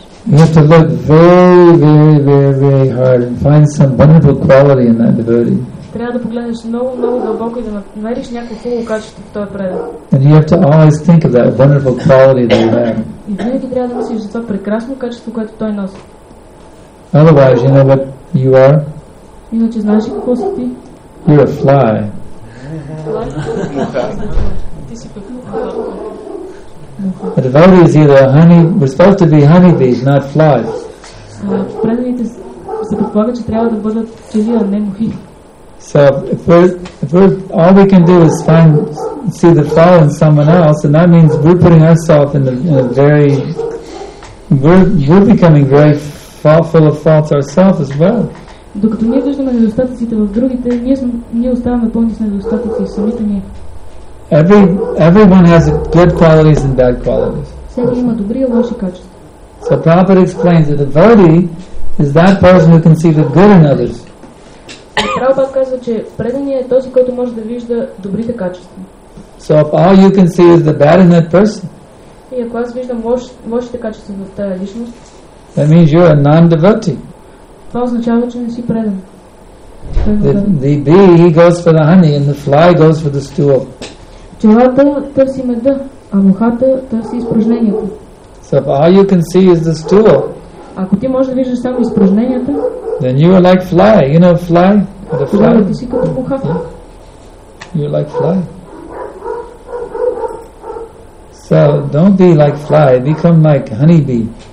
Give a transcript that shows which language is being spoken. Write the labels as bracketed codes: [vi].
[en] You have to look very, very, very, very hard and find some wonderful quality in that devotee. [bg] Трябва да погледнеш много, много дълбоко и да намериш някакво хубаво качество в този предан. [en] And you have to always think of that wonderful quality that you have. [bg] И винаги трябва да мислиш за това прекрасно качество, което той носи. [en] Otherwise, you know what you are? [bg] Иначе знаеш ли какво си ти? [en] You're a fly. [bg] Ти си пъкнуха. [en] A devotee is either honey, we're supposed to be honeybees, not flies. [bg] Преданите се предполага, че трябва да бъдат чили, а не мухи. [en] So if all we can do is find see the flaw in someone else, and that means we're putting ourselves in a very we're becoming very full of faults ourselves as well. [bg] Докато ние виждаме недостатъците в другите, ние оставаме пълни с недостатъци в самите ние. [en] Everyone has good qualities and bad qualities. [bg] Всеки има добри и лоши качества. [en] So Prabhupada explains that the devotee is that person who can see the good in others. [bg] Прабхупада казва, че преданият е този, който може да вижда добрите качества. [en] So if all you can see is the bad in that person. [bg] И ако аз виждам лошите качества в тая личност. [en] That means you're a non-devotee. [bg] Това означава, че не си предан. [en] The bee, he goes for the honey, and the fly goes for the stool. [bg] Пчелата търси меда, а мухата търси изпражнението. [en] So if all you can see is the stool. [bg] Ако ти можеш да виждаш само изпражненията. [en] Then you are like fly, you know fly? The fly. You're like fly. So don't be like fly, become like honeybee.